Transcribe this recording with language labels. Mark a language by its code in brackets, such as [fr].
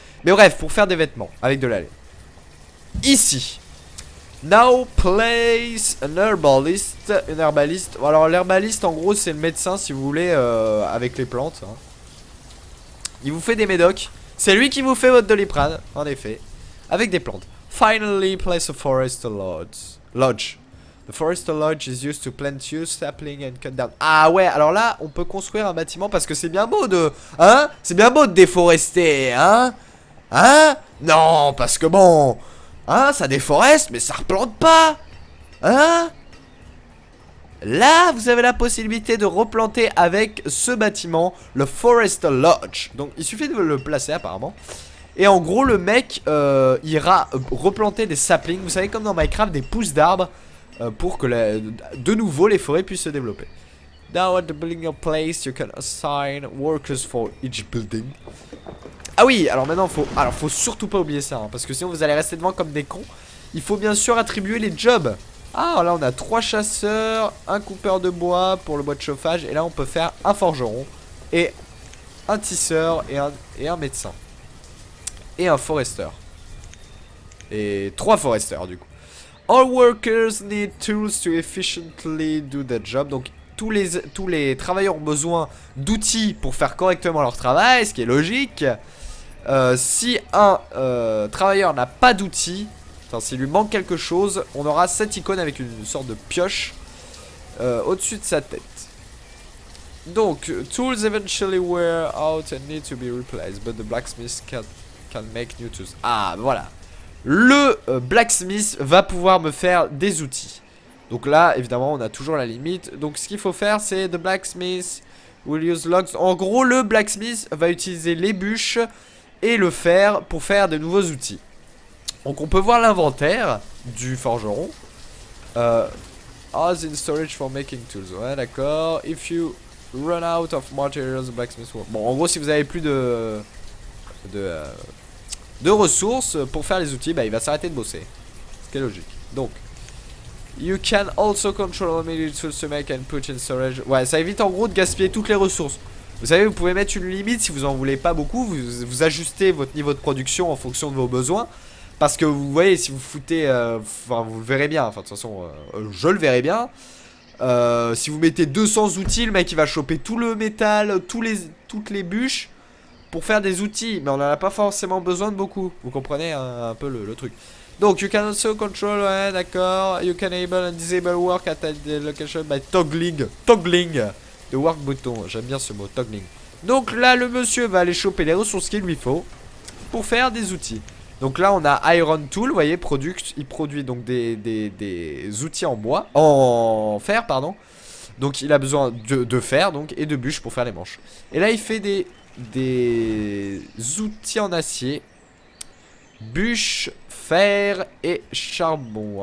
[fr] Mais bref, pour faire des vêtements avec de la laine. Ici. [en] Now place an herbalist. [fr] Une herbaliste. Alors l'herbaliste en gros c'est le médecin si vous voulez avec les plantes. Il vous fait des médocs. C'est lui qui vous fait votre Doliprane en effet. Avec des plantes. [en] Finally place a forest lodge. The forest lodge is used to plant you, sapling and cut down. [fr] Ah ouais, alors là, on peut construire un bâtiment parce que c'est bien beau de... Hein? C'est bien beau de déforester, hein? Hein? Non, parce que bon... Hein? Ça déforeste, mais ça replante pas! Hein? Là, vous avez la possibilité de replanter avec ce bâtiment, le forest lodge. Donc, il suffit de le placer, apparemment. Et en gros, le mec ira replanter des saplings. Vous savez, comme dans Minecraft, des pousses d'arbres. Pour que de nouveau les forêts puissent se développer. [en] Now at the building of place, you can assign workers for each building. [fr] Ah oui, alors maintenant faut surtout pas oublier ça, hein, parce que sinon vous allez rester devant comme des cons. Il faut bien sûr attribuer les jobs. Ah là on a 3 chasseurs, un coupeur de bois pour le bois de chauffage, et là on peut faire un forgeron et un tisseur et un médecin et un forester et 3 foresters du coup. [en] All workers need tools to efficiently do their job. [fr] Donc tous les travailleurs ont besoin d'outils pour faire correctement leur travail, ce qui est logique. Si un travailleur n'a pas d'outils, enfin s'il lui manque quelque chose, on aura cette icône avec une sorte de pioche au-dessus de sa tête. [en] Donc tools eventually wear out and need to be replaced, but the blacksmith can make new tools. [fr] Ah voilà. Le blacksmith va pouvoir me faire des outils. Donc là, évidemment, on a toujours la limite. Donc ce qu'il faut faire, c'est [en] the blacksmith will use logs. [fr] En gros, le blacksmith va utiliser les bûches et le fer pour faire de nouveaux outils. Donc on peut voir l'inventaire du forgeron. [en] As in storage for making tools. [fr] Ouais, d'accord. [en] If you run out of materials, the blacksmith will... [fr] Bon, en gros, si vous avez plus de ressources pour faire les outils, bah il va s'arrêter de bosser. Ce qui est logique. [en] Donc, you can also control how many tools to make and put in storage. [fr] Ouais, ça évite en gros de gaspiller toutes les ressources. Vous savez, vous pouvez mettre une limite si vous en voulez pas beaucoup. Vous ajustez votre niveau de production en fonction de vos besoins. Parce que vous voyez, si vous foutez. Enfin, vous le verrez bien. Enfin, de toute façon, je le verrai bien. Si vous mettez 200 outils, le mec il va choper tout le métal, toutes les bûches. Pour faire des outils, mais on en a pas forcément besoin de beaucoup. Vous comprenez un peu le truc. Donc, [en] you can also control, [fr] ouais, d'accord. [en] You can enable and disable work at a location by toggling the work button. [fr] J'aime bien ce mot, toggling. Donc là, le monsieur va aller choper les ressources qu'il lui faut pour faire des outils. Donc là, on a iron tool, vous voyez, product. Il produit donc des outils en bois, en fer, pardon. Donc il a besoin de fer, donc, et de bûches pour faire les manches. Et là, il fait des outils en acier, bûches, fer et charbon.